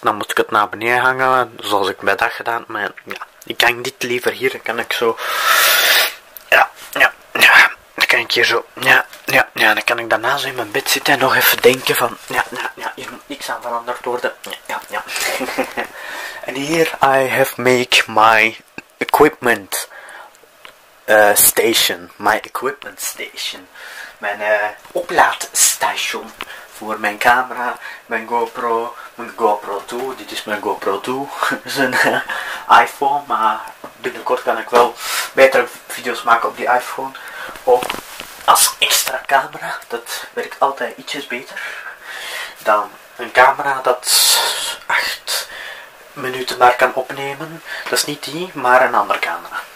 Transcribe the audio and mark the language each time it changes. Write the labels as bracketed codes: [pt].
[nl] Dan moest ik het naar beneden hangen, zoals ik bij dat gedaan. Maar ja, ik hang dit liever hier. Dan kan ik zo... Ja. Dan kan ik hier zo... Ja. Dan kan ik daarna zo in mijn bed zitten en nog even denken van... Ja. Hier moet niks aan veranderd worden. Ja. En hier, [en] I have made my equipment station. My equipment station. [nl] Mijn oplaadstation voor mijn camera, mijn GoPro 2, dit is mijn GoPro 2, dat is een iPhone, maar binnenkort kan ik wel betere video's maken op die iPhone, ook als extra camera, dat werkt altijd ietsjes beter dan een camera dat 8 minuten maar kan opnemen, dat is niet die, maar een andere camera.